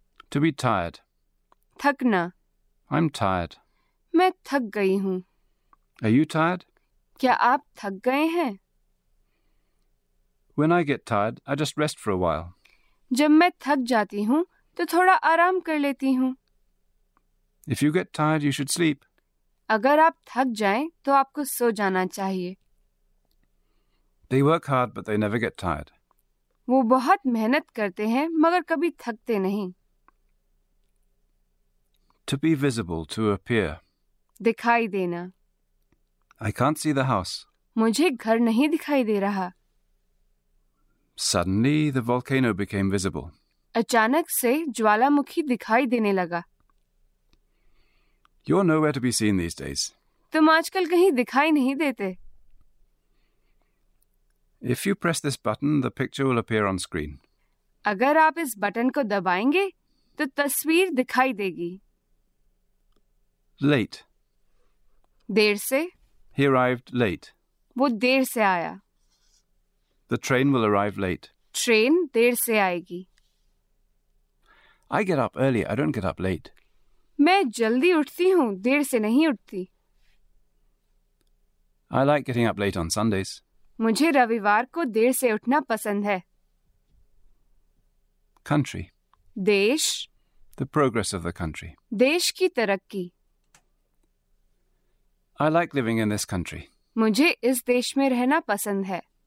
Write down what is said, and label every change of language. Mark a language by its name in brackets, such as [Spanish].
[English] To be tired. [Hindi] Thakna. [English] I'm tired. [Hindi] Main thak gayi hoon. [English] Are you tired? [Hindi] Kya aap thak gaye hain? [English] When I get tired, I just rest for a while. [Hindi] Jab main thak jaati hoon, तो थोड़ा आराम कर लेती हूँ। [English] If you get tired, you should sleep. [Hindi] अगर आप थक जाएं, तो आपको सो जाना चाहिए। [English] They work hard, but they never get tired. [Hindi] वो बहुत मेहनत करते हैं, मगर कभी थकते नहीं। [English] To be visible, to appear. [Hindi] दिखाई देना। [English] I can't see the house. [Hindi] मुझे घर नहीं दिखाई दे रहा। [English] Suddenly, the volcano became visible. [Hindi] अचानक से ज्वालामुखी दिखाई देने लगा। [English] You're nowhere to be seen these days. [Hindi] तुम आजकल कहीं दिखाई नहीं देते। [English] If you press this button, the picture will appear on screen. [Hindi] अगर आप इस बटन को दबाएंगे, तो तस्वीर दिखाई देगी। [English] Late. [Hindi] देर से। [English] He arrived late. [Hindi] वो देर से आया। [English] The train will arrive late. [Hindi] Train देर से आएगी। [English] I get up early. I don't get up late. [Hindi] मैं जल्दी उठती हूँ, देर से नहीं उठती। [English] I like getting up late on Sundays. [Hindi] मुझे रविवार को देर से उठना पसंद है। [English] Country. [Hindi] देश। [English] The progress of the country. [Hindi] देश की तरक्की। [English] I like living in this country. [Hindi] मुझे इस देश में रहना पसंद है।